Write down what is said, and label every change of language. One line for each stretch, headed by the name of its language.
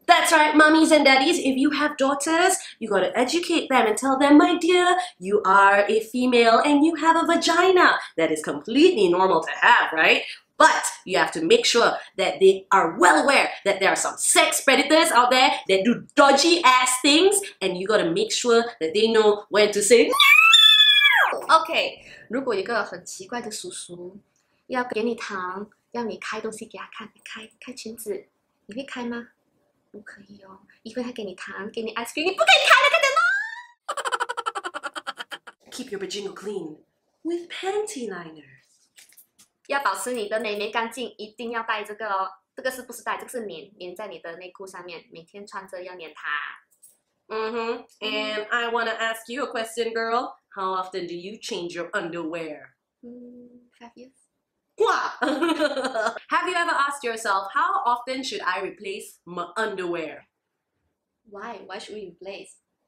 English: That's right, mummies and daddies, if you have daughters, you gotta educate them and tell them, my dear, you are a female and you have a vagina. That is completely normal to have, right? But you have to make sure that they are well aware that there are some sex predators out there that do dodgy ass things, and you gotta make sure that they know when to say no!
Chinese: Okay, 如果一个很奇怪的叔叔要给你糖，要你开东西给他看，开裙子。你会开吗?不可以哦 一会他给你糖, 给你ice cream, 你不可以开了,
English: Keep your vagina clean with panty liner.
Chinese: 要保持你的妹妹干净, 一定要带这个哦, 这个是不是带, 这个是棉, 粘在你的内裤上面, 每天穿着要粘它。 Mm-hmm.
English: And I want to ask you a question, girl. How often do you change your underwear? 5 years. Have you ever asked yourself, how often should I replace my underwear? Why? Why should we replace?